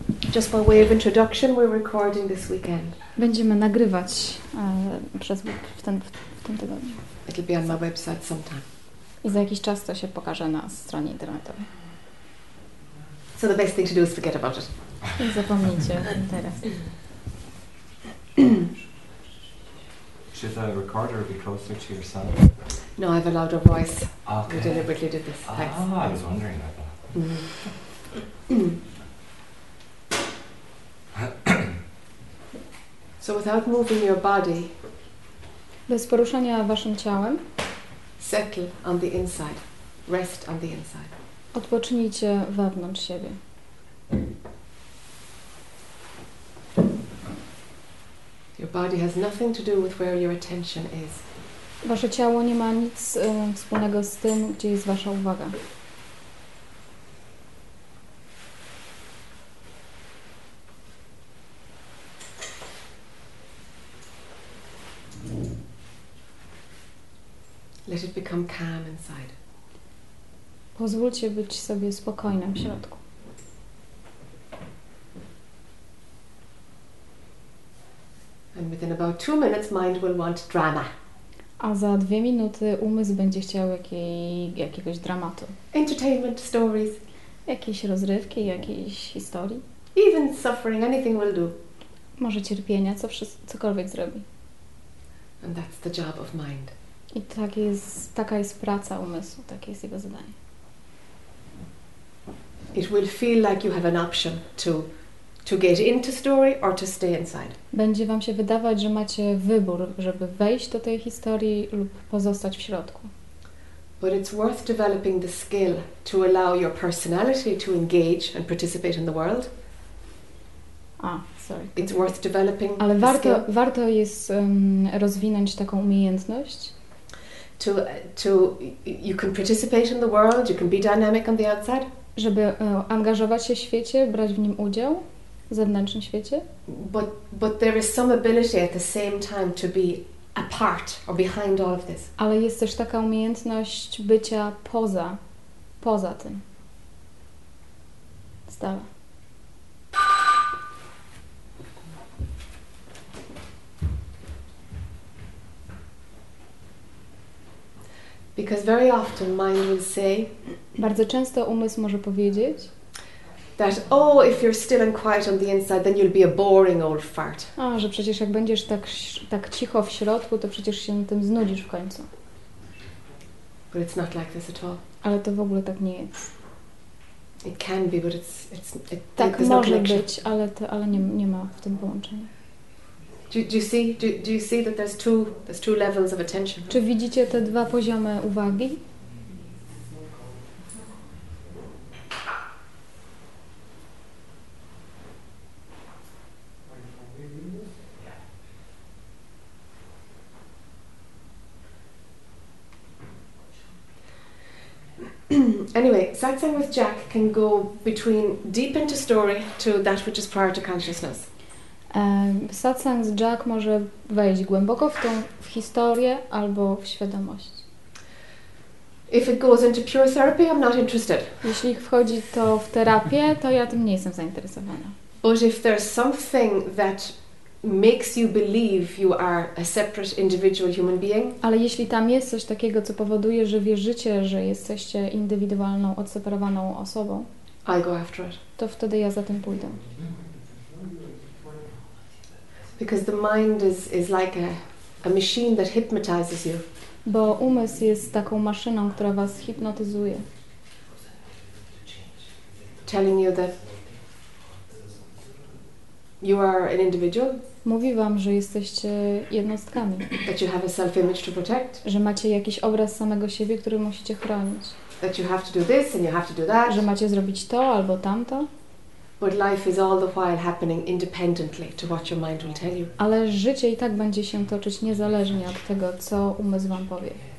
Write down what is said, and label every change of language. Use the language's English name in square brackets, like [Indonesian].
[English] Just by way of introduction, we're recording this weekend. [Polish] Będziemy nagrywać przez ten tydzień. [English] It'll be on my website sometime. [Polish] I za jakiś czas to się pokaże na stronie internetowej. [English] So the best thing to do is forget about it. [Polish] I zapomnijcie teraz. [English] Should the recorder be closer to yourself? No, I have a louder voice. Okay. We deliberately did this. Thanks. Ah, I was wondering about that. So without moving your body, [Polish] bez poruszania waszym ciałem, [English] settle on the inside, rest on the inside. [Polish] Odpocznijcie wewnątrz siebie. [English] Your body has nothing to do with where your attention is. [Polish] Wasze ciało nie ma nic wspólnego z tym, gdzie jest wasza uwaga. [English] Let it become calm inside. [Polish] Pozwólcie być sobie spokojnym w środku. [English] And within about 2 minutes, mind will want drama. [Polish] A za 2 minuty umysł będzie chciał jakiegoś dramatu. [English] Entertainment stories. [Polish] Jakieś rozrywki, jakiejś historii. [English] Even suffering, anything will do. [Polish] Może cierpienia, cokolwiek zrobi. [English] And that's the job of mind. [Polish] I taka jest praca umysłu, takie jest jego zadanie. [English] It will feel like you have an option to get into story or to stay inside. [Polish] Będzie wam się wydawać, że macie wybór, żeby wejść do tej historii lub pozostać w środku. [English] But it's worth developing the skill to allow your personality to engage and participate in the world. It's worth developing. [Polish] Ale warto jest rozwinąć taką umiejętność. [English] To you can participate in the world, you can be dynamic on the outside. [Polish] Żeby angażować się w świecie, brać w nim udział w zewnętrznym świecie. [English] But there is some ability at the same time to be apart or behind all of this. [Polish] Ale jest też taka umiejętność bycia poza tym. Stale. [English] Because very often mind will say, [Polish] bardzo często umysł może powiedzieć, [English] that oh, if you're still and quiet on the inside, then you'll be a boring old fart. [Polish] A, że przecież jak będziesz tak cicho w środku, to przecież się tym znudzisz w końcu. [English] But it's not like this at all. [Polish] Ale to w ogóle tak nie jest. [English] It can be, but it's [Polish] tak [English] there's [Polish] może [English] no [Polish] być, ale to, ale nie ma w tym połączenia. [English] Do you see that there's two levels of attention? [Polish] Czy widzicie te dwa poziomy uwagi? [English] Anyway, satsang with Jack can go between deep into story to that which is prior to consciousness. [Polish] Satsang z Jack może wejść głęboko w historię albo w świadomość. [English] If it goes into pure therapy, I'm not interested. [Polish] Jeśli wchodzi to w terapię, to ja tym nie jestem zainteresowana. [English] But if there's something that makes you believe you are a separate individual human being. [Polish] Ale jeśli tam jest coś takiego, co powoduje, że wierzycie, że jesteście indywidualną, odseparowaną osobą, [English] I'll go after it. [Polish] To wtedy ja za tym pójdę. [English] Because the mind is like a machine that hypnotizes you. [Polish] Bo umysł jest taką maszyną, która was hipnotyzuje. [English] Telling you that you are an individual. [Polish] Mówi wam, że jesteście jednostkami. [English] That you have a self-image to protect. [Polish] Że macie jakiś obraz samego siebie, który musicie chronić. [English] That you have to do this and you have to do that. [Polish] Że macie zrobić to albo tamto. [English] But life is all the while happening independently to what your mind will tell you. [Polish] Ale życie i tak będzie się toczyć niezależnie od tego, co umysł wam powie.